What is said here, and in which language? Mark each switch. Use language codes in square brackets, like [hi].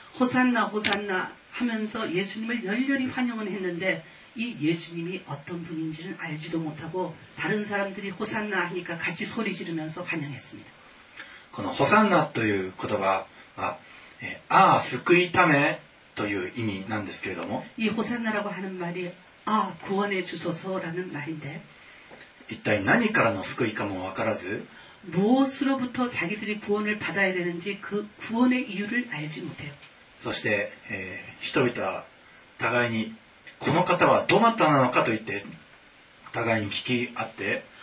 [ko] ホサンナホサンナ하면서예수님을열렬히환영을했는데이예수님이어떤분인지는알지도못하고다른사람들이호산나하니까같이소리지르면서환영했습니다 [ja] この호산나という言葉は아救いためという意味なんですけれども [ko] 이호산나라고하는말이아구원해주소서라는말인데 [ja] 一体何からの救いかも分からず [ko] 무엇으로부터자기들이구원을받아야되는지그구원의이유를알지못해요 [ja] そして、人々は互いにこの方はどなたなのかと言って互いに聞き合って